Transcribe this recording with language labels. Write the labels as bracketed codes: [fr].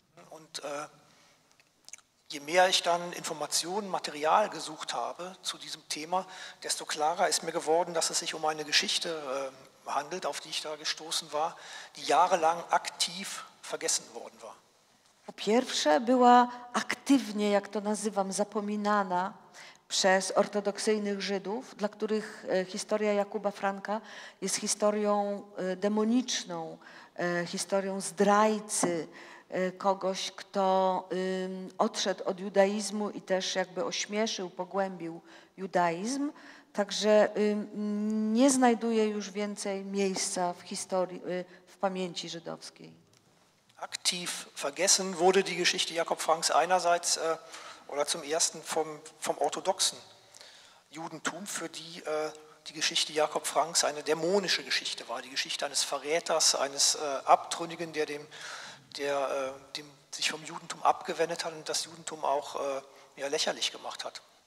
[de] Und je mehr ich dann Informationen, Material gesucht habe zu diesem Thema, desto klarer ist mir geworden, dass es sich um eine Geschichte handelt, auf die ich da gestoßen war, die jahrelang aktiv vergessen worden war. [pl] Po pierwsze była aktywnie, jak to nazywam, zapominana przez ortodoksyjnych Żydów, dla których historia Jakuba Franka jest historią demoniczną, historią zdrajcy, kogoś, kto odszedł od judaizmu i też jakby ośmieszył, pogłębił judaizm. Także nie znajduje już więcej miejsca w historii, w pamięci żydowskiej. [de] Aktiv vergessen wurde die Geschichte Jakob Franks einerseits oder zum ersten vom orthodoxen Judentum, für die die Geschichte Jakob Franks eine dämonische Geschichte war, die Geschichte eines Verräters, eines Abtrünnigen, der sich vom Judentum abgewendet hat und das Judentum auch lächerlich gemacht hat.